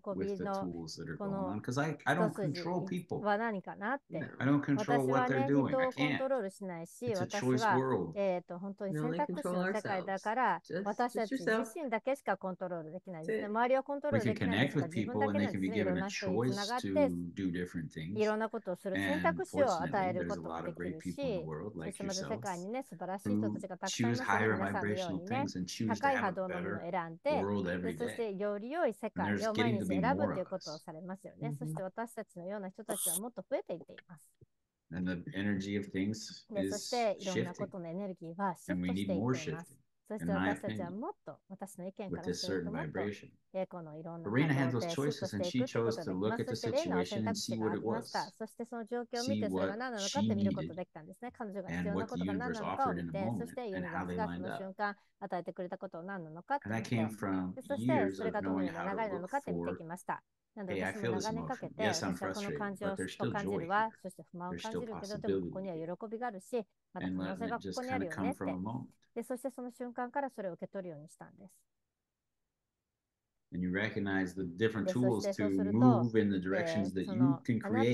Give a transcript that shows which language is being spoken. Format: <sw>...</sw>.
<en>with the tools that are going on? Because I don't control people.</en> <ja>は何かなって</ja> <en>no, I don't control、</en> <ja>ね、</ja> <en>what they're doing. I can't. It's a choice world. We only control ourselves. Just yourself. We can connect with people and they can be given a choice to do different things.</en> <ja>いろんなことをする選択肢を与えることができるし、いつまで世界にね、素晴らしい人たちがたくさん</ja> <en>choose higher vibrational things and choose to have a better world every day.</en> <ja>そしてより良い世界を毎日選ぶということをされますよね。そして私たちのような人たちはもっと増えていっています。</ja> <en>And the energy of things is shifting.</en> <ja>そしていろんなことのエネルギーはシフトしていっています。そして私たちはもっと私の意見からするともっとこのいろんなことをシフトしていくということができます。そしてレイナは選択肢がありました。そしてその状況を見てそれが何なのかって見ることができたんですね。彼女が必要なことが何なのかを見て、そしてユニバースがその瞬間与えてくれたことは何なのかって見て、そしてそれがどのような流れなのかって見てきました。なので私も長年かけて私はこの感情を感じるわ、そして不満を感じるけどでもここには喜びがあるし、また可能性がここにあるよねって、でそしてその瞬間からそれを受け取るようにしたんです。</ja> <en>And you recognize the different tools to move in the directions that you can create.</en>